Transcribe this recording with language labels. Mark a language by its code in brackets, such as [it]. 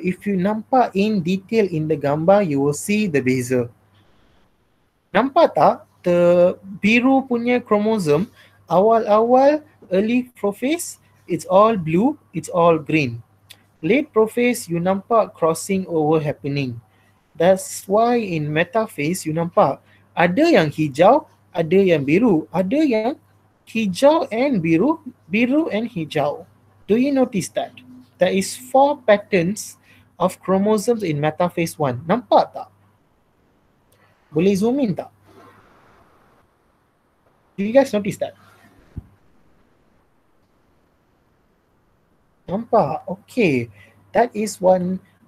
[en] If you nampak in detail in the gambar, you will see the beza. [ms] Nampak tak? [en] The [ms] biru punya [en] chromosome, [ms] awal-awal [en] early prophase, it's all blue, it's all green. Late prophase, you nampak crossing over happening. That's why in metaphase, you [ms] nampak, ada yang hijau, ada yang biru. Ada yang hijau and biru, biru and hijau. [en] Do you notice that? There is four patterns of chromosomes in metaphase 1. [ms] Nampak tak? Boleh zoom in tak? [en] Do you guys notice that? [ms] Nampak? [en] Okay. That is one.